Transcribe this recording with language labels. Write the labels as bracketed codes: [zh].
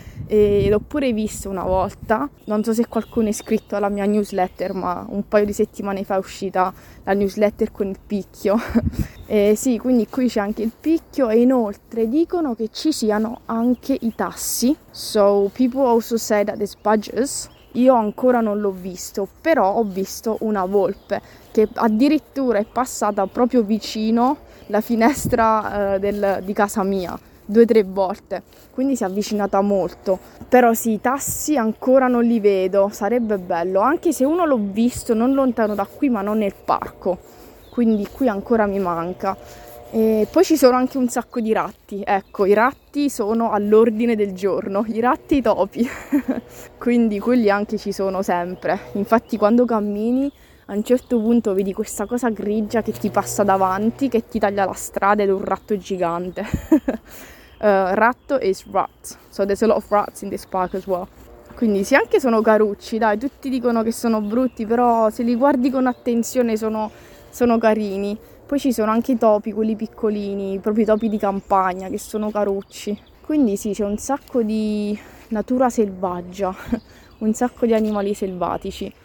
[it] E l'ho pure visto una volta, non so se qualcuno è iscritto alla mia newsletter, ma un paio di settimane fa è uscita la newsletter con il picchio. E sì, quindi qui c'è anche il picchio e inoltre dicono che ci siano anche i tassi. [en] So people also say that there's badgers. [it] Io ancora non l'ho visto, però ho visto una volpe che addirittura è passata proprio vicino la finestra di casa mia 2-3 volte, quindi si è avvicinata molto. Però sì, i tassi ancora non li vedo, sarebbe bello, anche se uno l'ho visto non lontano da qui ma non nel parco, quindi qui ancora mi manca. E poi ci sono anche un sacco di ratti, ecco, i ratti sono all'ordine del giorno, i ratti e i topi, quindi quelli anche ci sono sempre. Infatti quando cammini a un certo punto vedi questa cosa grigia che ti passa davanti, che ti taglia la strada ed è un ratto gigante. Ratto [en] is rat, so there's a lot of rats in this park as well. [it] Quindi sì, anche sono carucci, dai, tutti dicono che sono brutti, però se li guardi con attenzione sono carini. Poi ci sono anche i topi, quelli piccolini, proprio i topi di campagna, che sono carucci. Quindi sì, c'è un sacco di natura selvaggia, un sacco di animali selvatici.